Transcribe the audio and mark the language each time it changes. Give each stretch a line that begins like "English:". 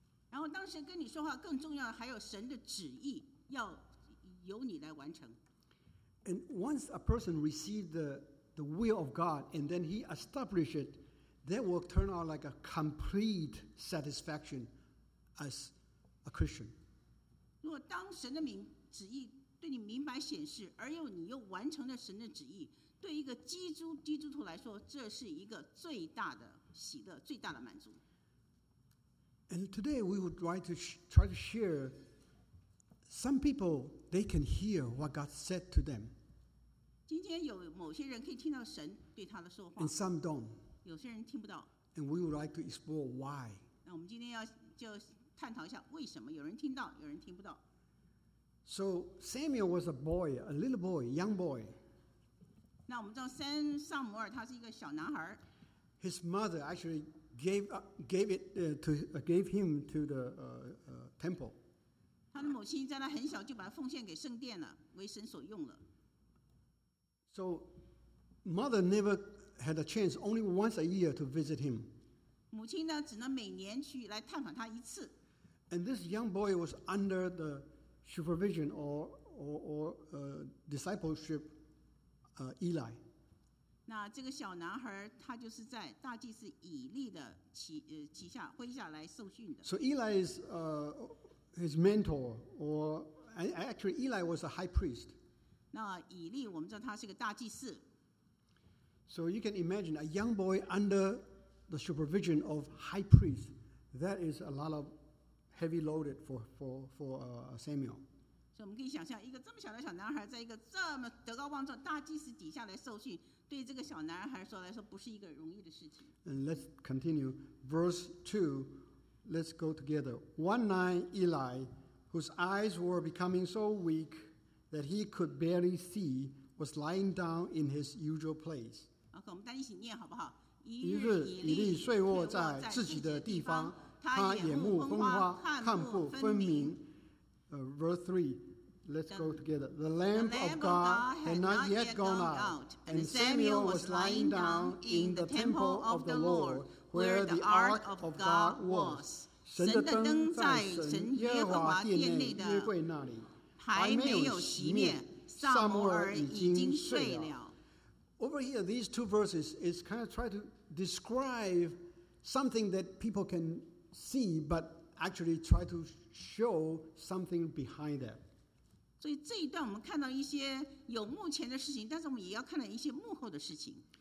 Chinese: 然后当神跟你说话，更重要还有神的旨意要由你来完成。
English: And once a person receives the will of God, and then he establishes it, that will turn out like a complete satisfaction as a Christian.
Chinese: 如果当神的名旨意对你明白显示，而又你又完成了神的旨意，对一个基督徒来说，这是一个最大的喜乐，最大的满足。
English: And today we would like to try to share some people they can hear what God said to them.
Chinese: 今天有某些人可以听到神对他的说话。
English: And some don't.
Chinese: 有些人听不到。
English: And we would like to explore why.
Chinese: 那我们今天要就探讨一下为什么有人听到，有人听不到。
English: So Samuel was a boy, a little boy, young boy.
Chinese: 那我们知道三萨摩尔他是一个小男孩。
English: His mother actually gave him to the temple.
Chinese: 他的母亲在他很小就把他奉献给圣殿了，为神所用了。
English: So mother never had a chance, only once a year to visit him.
Chinese: 母亲呢，只能每年去来探访他一次。
English: And this young boy was under the supervision or discipleship, Eli.
Chinese: 那这个小男孩他就是在大祭司以利的旗下麾下来受训的。
English: So Eli is his mentor, or actually Eli was a high priest.
Chinese: 那以利我们知道他是个大祭司。
English: So you can imagine a young boy under the supervision of high priest. That is a lot of heavy loaded for Samuel.
Chinese: 所以我们可以想象，一个这么小的小男孩，在一个这么德高望重大祭司底下来受训。对这个小男孩说来说不是一个容易的事情。
English: And let's continue. Verse 2, let's go together. One night, Eli, whose eyes were becoming so weak that he could barely see, was lying down in his usual place.
Chinese: Okay, 我们大家一起念好不好？一日，以利睡卧在自己的地方，他眼目昏花，看不分明。
English: Verse 3, let's go together. The lamp of God had not yet gone out, and Samuel was lying down in the temple of the Lord, where the ark of God was.
Chinese: 神的灯在神耶和华殿内的约柜那里还没有熄灭，撒母耳已经睡了。
English: Over here, these two verses is kind of try to describe something that people can see, but actually try to show something behind that.
Chinese: 所以这一段我们看到一些有目前的事情，但是我们也要看到一些幕后的事情。